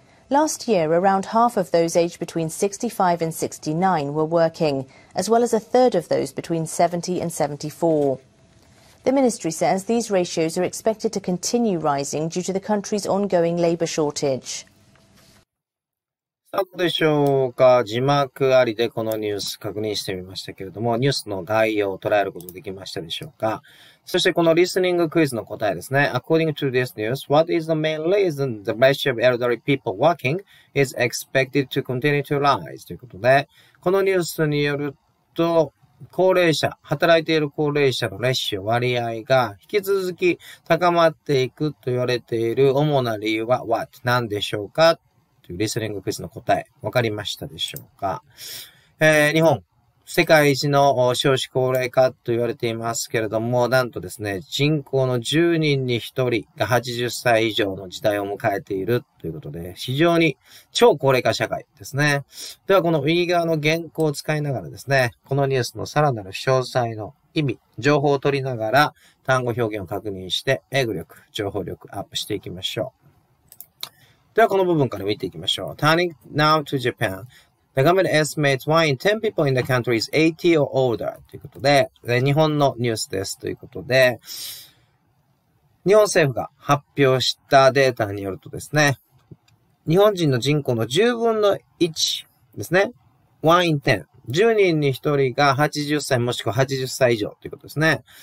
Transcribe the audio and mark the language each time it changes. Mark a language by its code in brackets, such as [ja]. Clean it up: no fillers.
[en] Last year, around half of those aged between 65 and 69 were working, as well as a third of those between 70 and 74. The ministry says these ratios are expected to continue rising due to the country's ongoing labor shortage. [ja] どうでしょうか。字幕ありでこのニュース確認してみましたけれども、ニュースの概要を捉えることができましたでしょうか。そしてこのリスニングクイズの答えですね。 [en] According to this news, what is the main reason the ratio of elderly people working is expected to continue to rise? [ja] ということで、このニュースによると、高齢者、働いている高齢者のレシオ割合が引き続き高まっていくと言われている主な理由は [en] what? [ja] 何でしょうか? というリスニングクイズの答え、わかりましたでしょうか。日本。世界一の少子高齢化と言われていますけれども、なんとですね、人口の10人に1人が80歳以上の時代を迎えているということで、非常に超高齢化社会ですね。ではこの右側の原稿を使いながらですね、このニュースのさらなる詳細の意味、情報を取りながら単語表現を確認して、英語力、情報力アップしていきましょう。ではこの部分から見ていきましょう。 [en] Turning now to Japan. The government estimates 1 in 10 people in the country is 80 or older. [ja] ということで、日本のニュースです。ということで、日本政府が発表したデータによるとですね、日本人の人口の10分の1ですね。 [en] 1 in 10。 [ja] 10人に1人が80歳もしくは80歳以上ということですね。